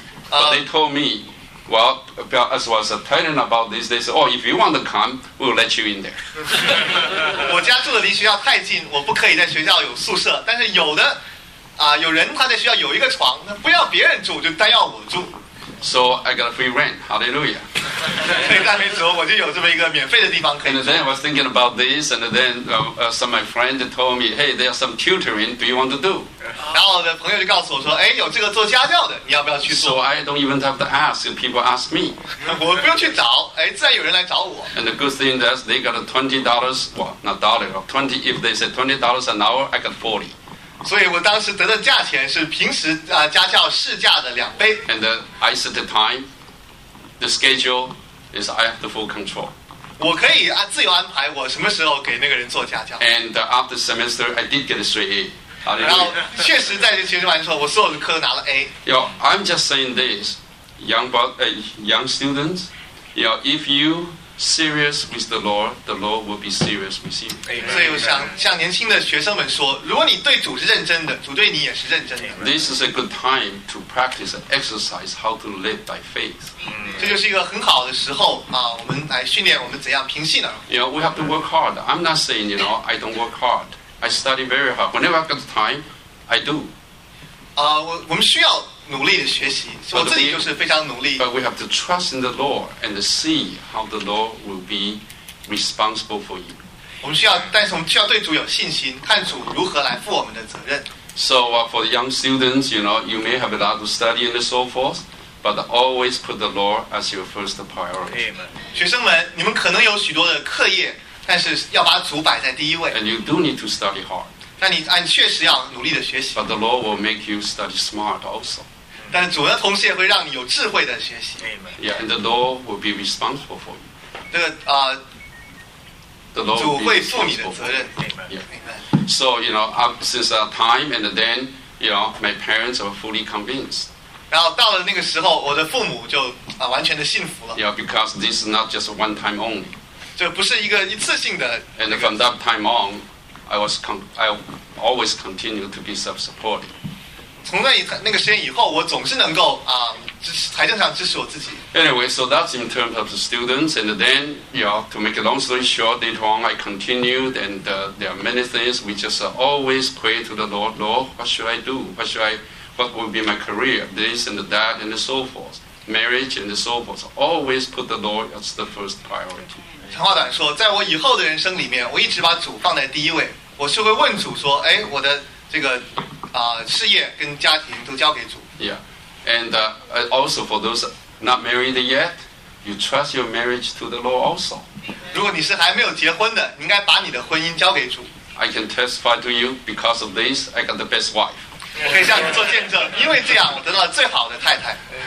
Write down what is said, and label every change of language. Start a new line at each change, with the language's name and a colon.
English: But they told me, well, as I was telling about this, they said, oh, if you want to come, we'll let you in there.
Chinese: 我家住的离学校太近，我不可以在学校有宿舍，但是有的有人他在学校有一个床，他不要别人住，就单要我住。
English: So I got a free rent. Hallelujah.
Chinese: 所以大明族我就有这么一个免费的地方可以住。
English: And then I was thinking about this, and then some of my friends told me, hey, there are some tutoring. Do you want to do?
Chinese: 然后我的朋友就告诉我说，哎，有这个做家教的，你要不要去做
English: ？So I don't even have to ask. People ask me.
Chinese: 我不用去找，哎，自然有人来找我。
English: And the good thing is they got $20. Well, not dollar, $20. If they say $20 an hour, I got $40.
Chinese: 所以我当时得的价钱是平时家教市价的两倍。
English: And I set the time, the schedule is I have the full control.
Chinese: 我可以自由安排我什么时候给那个人做家教。
English: And after semester, I did get a straight A.
Chinese: 然后确实在这学习完之后，我所有的科都拿了 A.
English: Yo, I'm just saying this, young students, you know, if you serious with the Lord will be serious with you.
Chinese: 所以我想向年轻的学生们说，如果你对主是认真的，主对你也是认真的。
English: This is a good time to practice and exercise how to live by faith.
Chinese: 这就是一个很好的时候啊，我们来训练我们怎样凭信而。
English: You know, we have to work hard. I'm not saying, you know, I don't work hard. I study very hard. Whenever I've got the time, I do.
Chinese: 我们需要努力的学习，我自己就是非常努力。
English: But we have to trust in the Lord and see how the Lord will be responsible for you.
Chinese: 我们需要，但是我们需要对主有信心，看主如何来负我们的责任。
English: So for the young students, you know, you may have a lot to study and so forth, but always put the Lord as your first priority.
Chinese: 学生们，你们可能有许多的课业，但是要把主摆在第一位。
English: And you do need to study hard.
Chinese: 但你确实要努力的学习。
English: But the Lord will make you study smart also.
Chinese: 但主的同时也会让你有智慧的学习。
English: Amen. Yeah, and the Lord will be responsible for you.
Chinese: 这个
English: the Lord
Chinese: 主会负你的责任。
English: Amen. Yeah. Amen. So you know, since that time, and then you know, my parents are fully convinced.
Chinese: 然后到了那个时候，我的父母就完全的信服了。
English: Yeah, because this is not just one time only.
Chinese: 这不是一个一次性的。
English: And from that time on. I always continue to be self-supporting.
Chinese: 从那个时间以后，我总是能够财政上支持我自己。
English: Anyway, so that's in terms of the students, and then, you know, to make a long story short, later on I continued, and there are many things we just always pray to the Lord. Lord, what should I do? What will be my career? This and that and so forth, marriage and so forth. Always put the Lord as the first priority.
Chinese: 长话短说，在我以后的人生里面，我一直把主放在第一位。我是会问主说：“哎，我的这个事业跟家庭都交给主。”
English: Yeah, and also for those not married yet, you trust your marriage to the Lord also.
Chinese: 如果你是还没有结婚的，你应该把你的婚姻交给主。
English: I can testify to you because of this, I got the best wife.
Chinese: 我可以向你做见证，因为这样我得到了最好的太太。